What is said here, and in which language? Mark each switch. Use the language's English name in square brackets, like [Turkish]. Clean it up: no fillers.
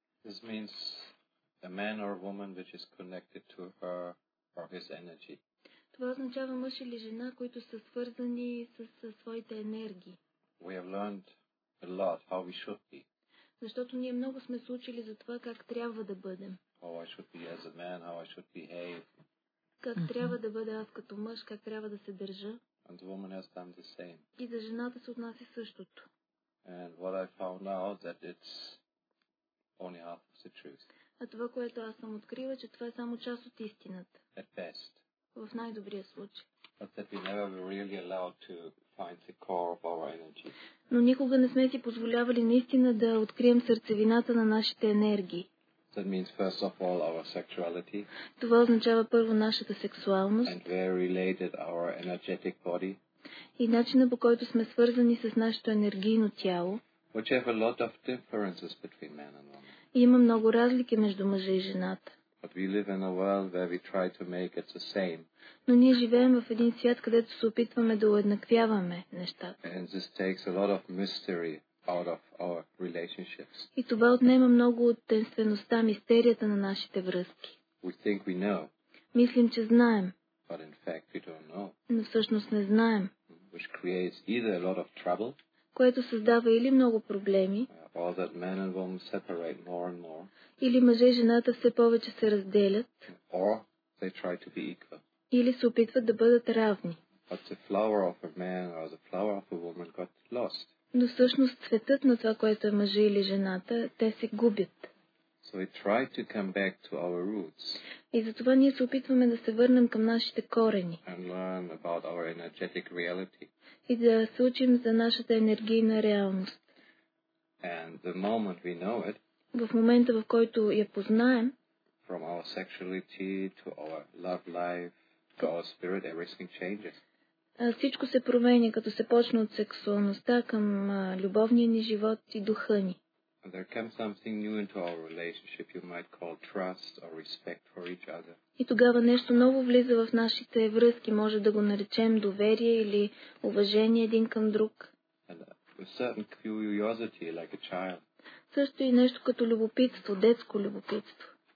[English] This means a man or woman which is connected to her or his energy. [Bulgarian] Това означава мъж или жена, които са свързани с своите енергии. [English] We have learned a lot how we should be. [Bulgarian] Защото ние много сме се учили за това как трябва да бъдем. [English] How I should be as a man, how I should behave. [Bulgarian] Как трябва да бъда аз като мъж, как трябва да се държа. [English] And the woman has done the same. [Bulgarian] И за жената се отнася същото. [English] And what I found out that it's only half of the truth. [Bulgarian] А това, което аз съм открила, че това е само част от истината. [English] At best. [Bulgarian] В най-добрия случай. [English] But that we never were really allowed to find the core of our energy. [Bulgarian] Но никога не сме си позволявали наистина да открием сърцевината на нашите енергии. [English] That means first of all our sexuality. [Bulgarian] Това означава първо нашата сексуалност. [English] And very related our energetic body. [Bulgarian] И начина, по който сме свързани с нашето енергийно тяло. [English] Which have a lot of differences between man and woman. [Bulgarian] И има много разлики между мъжа и жената. [English] But we live in a world where we try to make it the same. [Bulgarian] Но ние живеем в един свят, където се опитваме да уеднаквяваме нещата. [English] And this takes a lot of mystery. Out of our relationships. [Bulgarian] И това отнема много от тенствеността, мистерията на нашите връзки. [English] We think we know. [Bulgarian] Мислим, че знаем. [English] But in fact we don't know. [Bulgarian] Но всъщност не знаем. [English] Which creates either a lot of trouble. [Bulgarian] Което създава или много проблеми. [English] Or that men and women separate more and more. [Bulgarian] Или мъже и жената все повече се разделят. [English] Or they try to be equal. [Bulgarian] Или се опитват да бъдат равни. [English] But the flower of a man or the flower of a woman got lost. [Bulgarian] Но всъщност цветът на това, което е мъжа или жената, те се губят. [English] So we try to come back to our roots. [Bulgarian] И затова ние се опитваме да се върнем към нашите корени. [English] And learn about our energetic reality. [Bulgarian] И да се учим за нашата енергийна реалност. [English] And the moment we know it, [Bulgarian] в момента, в който я познаем, [English] from our sexuality to our love life, to our spirit, everything changes. [Bulgarian] Всичко се променя, като се почне от сексуалността към любовния ни живот и духа ни. [English] there comes something new into our relationship, you might call trust or respect for each other. [Bulgarian] И тогава нещо ново влиза в нашите връзки, може да го наречем доверие или уважение един към друг. [English] And a certain curiosity, like a child. [Bulgarian] Също и нещо като любопитство, детско любопитство.